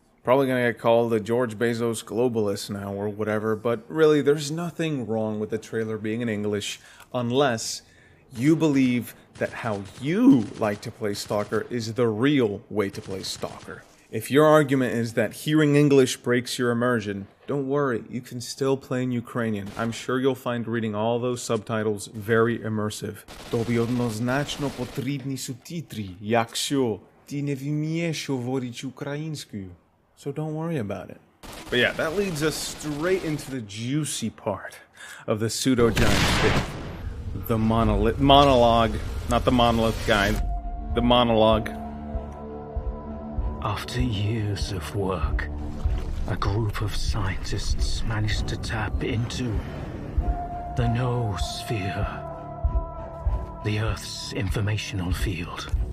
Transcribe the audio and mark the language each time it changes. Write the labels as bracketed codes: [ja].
[en] Probably gonna get called a George Bezos globalist now or whatever, but really, there's nothing wrong with the trailer being in English unless you believe that how you like to play Stalker is the real way to play Stalker. If your argument is that hearing English breaks your immersion, don't worry, you can still play in Ukrainian. I'm sure you'll find reading all those subtitles very immersive. [uk] Тобі однозначно потрібні субтитри, якщо ти не вмієш говорити українською. [en] So don't worry about it. But yeah, that leads us straight into the juicy part of the pseudo-giant thing. The monolith, monologue, not the monolith guy, the monologue. After years of work, a group of scientists managed to tap into the no-sphere, the Earth's informational field.